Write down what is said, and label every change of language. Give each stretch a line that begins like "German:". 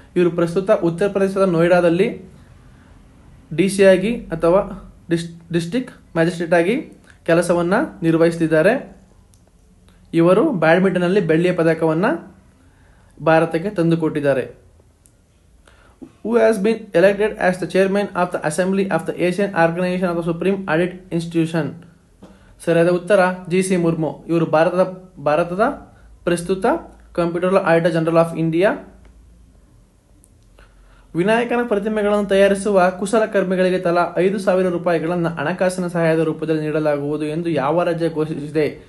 Kannada: ಇವರು ಪ್ರಸ್ತುತ ಉತ್ತರ ಪ್ರದೇಶದ ನೋಯ್ಡಾದಲ್ಲಿ DC ಅಥವಾ ಡಿಸ್ಟಿಕ್ ಮ್ಯಾಜಿಸ್ಟ್ರೇಟ್ ಆಗಿ ಕೆಲಸವನ್ನು ನಿರ್ವಹಿಸುತ್ತಿದ್ದಾರೆ. ಇವರು ಬ್ಯಾಡ್ಮಿಂಟನ್ನಲ್ಲಿ ಬೆಳ್ಳಿಯ ಪದಕವನ್ನು ಭಾರತಕ್ಕೆ ತಂದುಕೊಟ್ಟಿದ್ದಾರೆ.
English: who has been elected as the chairman of the assembly of the Asian Organization of the Supreme Audit Institution?
Kannada: ಸರಿಯಾದ ಉತ್ತರ ಜಿ ಸಿ ಮುರ್ಮು. ಇವರು ಭಾರತದ ಪ್ರಸ್ತುತ computer auditor general of India. ವಿನಾಯಕನ ಪ್ರತಿಮೆಗಳನ್ನು ತಯಾರಿಸುವ ಕುಶಲ ಕರ್ಮಿಗಳಿಗೆ ತಲಾ 5,000 ರೂಪಾಯಿಗಳನ್ನು ಹಣಕಾಸಿನ ಸಹಾಯದ ರೂಪದಲ್ಲಿ ನೀಡಲಾಗುವುದು ಎಂದು ಯಾವ ರಾಜ್ಯ ಘೋಷಿಸಿದೆ?